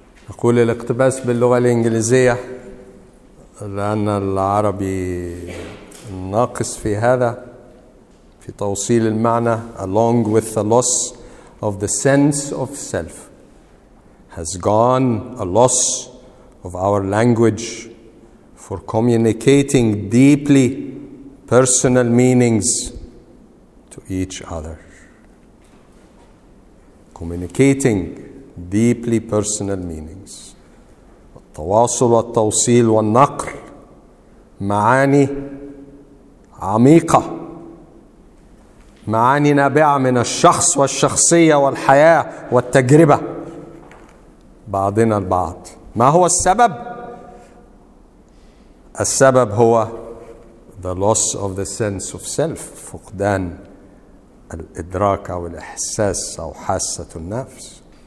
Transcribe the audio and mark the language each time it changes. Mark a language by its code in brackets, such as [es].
[ar] أقول الاقتباس باللغة الإنجليزية لأن العربي ناقص في هذا، في توصيل المعنى. [en] Along with the loss of the sense of self has gone a loss of our language for communicating deeply personal meanings to each other. Communicating deeply personal meanings. [ar] التواصل والتوصيل والنقل معاني عميقة، معاني نابعة من الشخص والشخصية والحياة والتجربة بعضنا البعض. ما هو السبب؟ السبب هو [en] the loss of the sense of self، [ar] فقدان الإدراك أو الإحساس أو حاسة النفس.